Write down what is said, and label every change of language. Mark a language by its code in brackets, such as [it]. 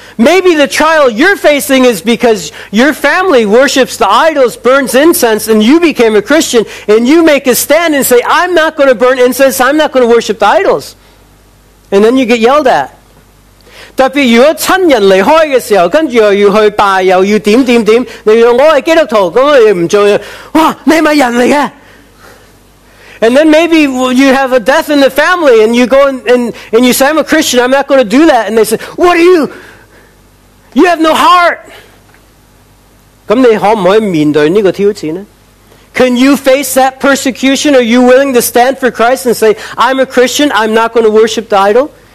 [en] Maybe the trial you're facing is because your family worships the idols, burns incense, and you became a Christian, and you make a stand and say, I'm not going to burn incense, I'm not going to worship the idols. And then you get yelled at. [zh] 特别如果亲人离开的时候，跟着又要去拜，又要点点点，你说我是基督徒，那你不做，哇，你是不是人来的？ [en] And then maybe you have a death in the family, and you go and you say, I'm a Christian, I'm not going to do that. And they say, what are you? You have no heart. [zh] 那你可不可以面对这个挑战呢? [en] Can you face that persecution? Are you willing to stand for Christ and say, I'm a Christian, I'm not going to worship the idol?